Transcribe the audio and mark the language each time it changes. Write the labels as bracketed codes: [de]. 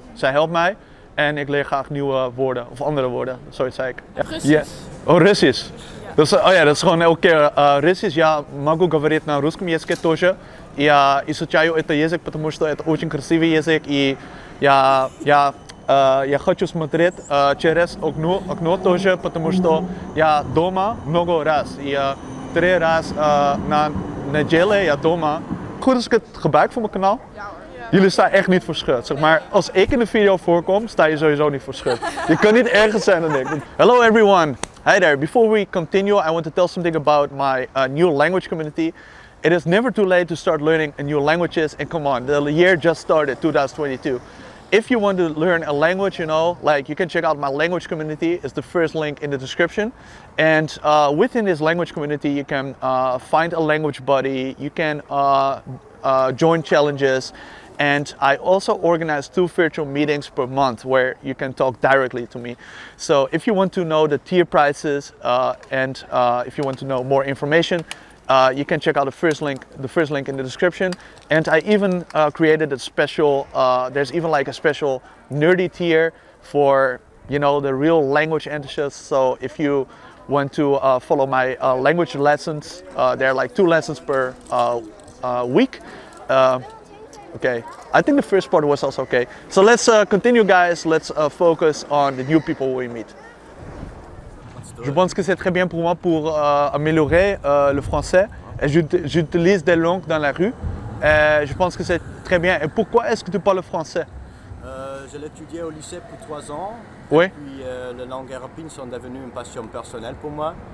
[nl] Zij helpt mij en ik leer graag nieuwe woorden of andere woorden, zoiets zei ik. Russisch. Oh, Russisch. Dus, oh ja, dat is gewoon elke keer Russisch. [ru] Ja, могу говорить на русском языке тоже. Я изучаю этот язык, потому что это очень красивый язык. И я хочу смотреть через окно тоже, потому что я дома много раз. И три раз на неделе я дома. [nl] Goed als ik het gebruik voor mijn kanaal? Ja hoor. Jullie staan echt niet voor schut. Zeg maar, als ik in de video voorkom, sta je sowieso niet voor schut. Je kan niet erger zijn dan ik. [en] Hello everyone. Hi there, before we continue, I want to tell something about my new language community. It is never too late to start learning new languages, and come on, the year just started, 2022. If you want to learn a language, you know, like you can check out my language community, it's the first link in the description. And within this language community, you can find a language buddy, you can join challenges, and I also organize two virtual meetings per month where you can talk directly to me. So if you want to know the tier prices and if you want to know more information, you can check out the first link in the description. And I even created a special, there's even like a special nerdy tier for, you know, the real language enthusiasts. So if you want to follow my language lessons, there are like two lessons per week. Okay, I think the first part was also okay. So let's continue, guys. Let's focus on the new people we meet. [fr] Je pense que c'est très bien pour moi pour améliorer le français. Et j'utilise des langues dans la rue. Et je pense que c'est très bien. Et pourquoi est-ce que tu parles français? Je l'ai étudié au lycée pour 3 ans. Oui. Et puis les langues européennes sont devenues une passion personnelle pour moi.